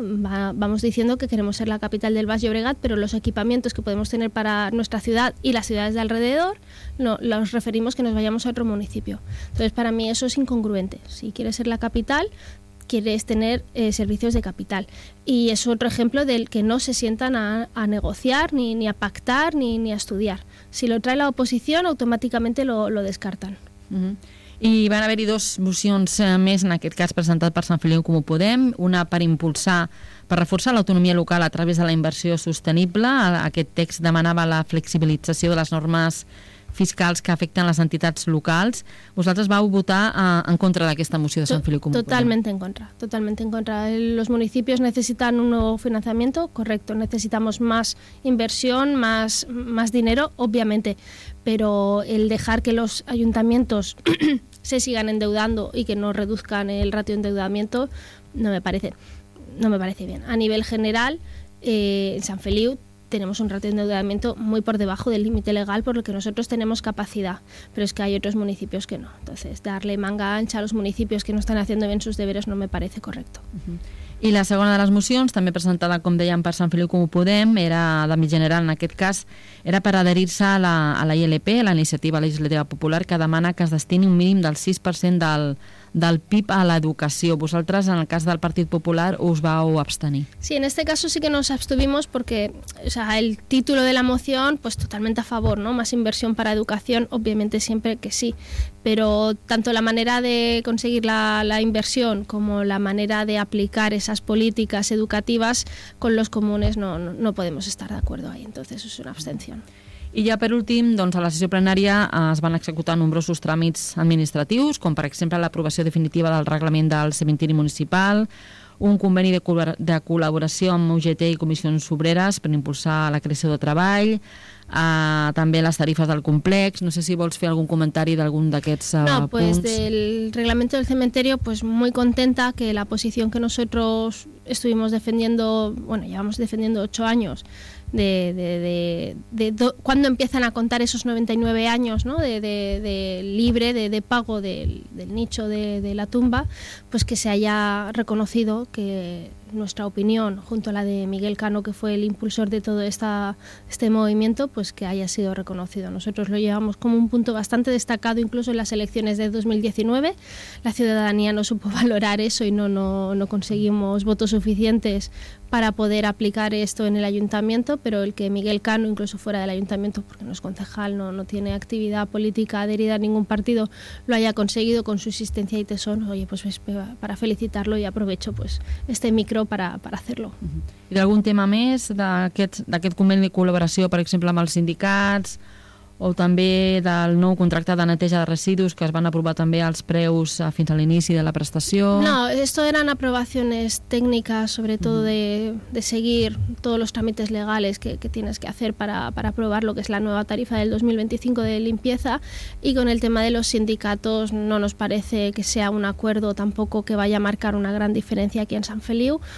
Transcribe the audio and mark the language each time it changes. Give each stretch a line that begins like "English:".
Spanish: Vamos diciendo que queremos ser la capital del Baix Llobregat, pero los equipamientos que podemos tener para nuestra ciudad y las ciudades de alrededor, no, los referimos que nos vayamos a otro municipio. Entonces, para mí eso es incongruente. Si quieres ser la capital, quieres tener servicios de capital. Y es otro ejemplo del que no se sientan a negociar, ni a pactar, ni a estudiar. Si lo trae la oposición, automáticamente lo descartan. Uh-huh.
Catalan: I van haver-hi dues mocions més, en aquest cas presentat per Sant Feliu Comú Podem, una per impulsar, per reforçar l'autonomia local a través de la inversió sostenible. Aquest text demanava la flexibilització de les normes fiscals que afecten les entitats locals. Vosaltres vau votar en contra d'aquesta moció de Sant Feliu Comú.
Spanish: Totalmente en contra, totalmente en contra. Los municipios necesitan un nuevo financiamiento, correcto, necesitamos más inversión, más dinero, obviamente, pero el dejar que los ayuntamientos se sigan endeudando y que no reduzcan el ratio de endeudamiento no me parece bien. A nivel general, en San Feliu tenemos un ratio de endeudamiento muy por debajo del límite legal, por lo que nosotros tenemos capacidad, pero es que hay otros municipios que no. Entonces, darle manga ancha a los municipios que no están haciendo bien sus deberes no me parece correcto.
Catalan: I la segona de les mocions, també presentada, com dèiem, per Sant Feliu Comú Podem, era d'àmbit general, en aquest cas, era per adherir-se a la ILP, a la Iniciativa Legislativa Popular, que demana que es destini un mínim del 6% del PIB a l'educació. Vosaltres, en el cas del Partit Popular, us vau abstenir.
Spanish: Sí, en este caso sí que nos abstuvimos porque, o sea, el título de la moción, pues totalmente a favor, ¿no? Más inversión para educación, obviamente siempre que sí. Pero tanto la manera de conseguir la inversión como la manera de aplicar esas políticas educativas con los comunes no podemos estar de acuerdo ahí. Entonces es una abstención.
Catalan: I ja per últim, doncs, a la sessió plenària es van executar nombrosos tràmits administratius, com per exemple l'aprovació definitiva del reglament del cementiri municipal, un conveni de col·laboració amb UGT i Comissions Obreres per impulsar la creació de treball, també les tarifes del complex. No sé si vols fer algun comentari d'algun d'aquests punts.
Spanish: No, pues del reglamento del cementerio, pues muy contenta que la posición que nosotros estuvimos defendiendo, bueno, llevamos defendiendo 8 años, de cuando empiezan a contar esos 99 años, ¿no? de libre, de pago del nicho de la tumba, pues que se haya reconocido que nuestra opinión, junto a la de Miguel Cano, que fue el impulsor de todo este movimiento, pues que haya sido reconocido. Nosotros lo llevamos como un punto bastante destacado, incluso en las elecciones de 2019. La ciudadanía no supo valorar eso y no conseguimos votos suficientes para poder aplicar esto en el ayuntamiento, pero el que Miguel Cano, incluso fuera del ayuntamiento, porque no es concejal, no tiene actividad política adherida a ningún partido, lo haya conseguido con su insistencia y tesón, oye, pues para felicitarlo, y aprovecho pues este micro para hacerlo.
Catalan: I d'algun tema més d'aquest conveni de col·laboració, per exemple, amb els sindicats, o també del nou contracte de neteja de residus, que es van aprovar també els preus fins a l'inici de la prestació?
Spanish: No, esto eran aprobaciones técnicas, sobretot de seguir todos los trámites legales que tienes que hacer para aprobar lo que es la nueva tarifa del 2025 de limpieza, y con el tema de los sindicatos no nos parece que sea un acuerdo tampoco que vaya a marcar una gran diferencia aquí en San Feliu.